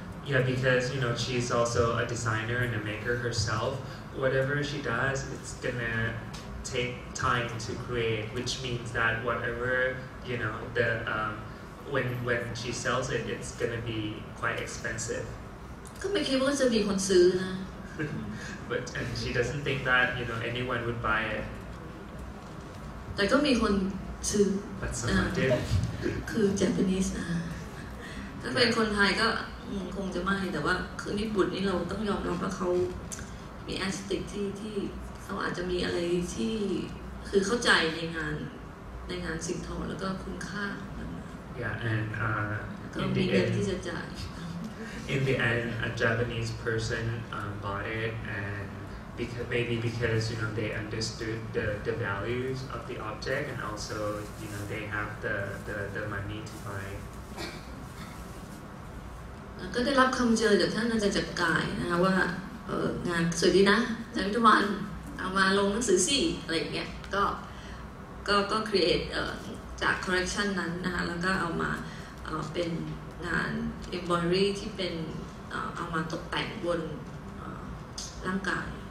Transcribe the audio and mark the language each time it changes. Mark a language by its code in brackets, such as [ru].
[en] Yeah because you know she's also a designer and a maker herself whatever she does it's gonna take time to create which means that whatever you know the when she sells it it's gonna be quite expensive [th] ก็ไม่คิดว่าจะมีคนซื้อนะ [en] But and she doesn't think that you know anyone would buy it. [th] แต่ก็มีคนซื้อ [en] But someone did. [th] คือ Japanese นะถ้าเป็นคนไทยก็คงจะไม่แต่ว่าคือญี่ปุ่นนี่เราต้องยอมรับว่าเขามี aesthetic ที่เขาอาจจะมีอะไรที่คือเข้าใจในงานสิ่งทอแล้วก็คุณค่า [en] Yeah and [th] ก็มีเงินที่จะจ่าย [en] In the end, a Japanese person bought it, and maybe because you know they understood the values of the object, and also you know they have the money to buy. [th] ก็ได้รับคำเชิญจากท่านอาจารย์จักรกายนะคะว่างานสวยดีนะอาจารย์วิทวันเอามาลงหนังสือสิอะไรอย่างเงี้ยก็ create จาก collection นั้นนะคะแล้วก็เอามาเป็นงาน embroidery ที่เป็นเอามาตกแต่งบนร่างกาย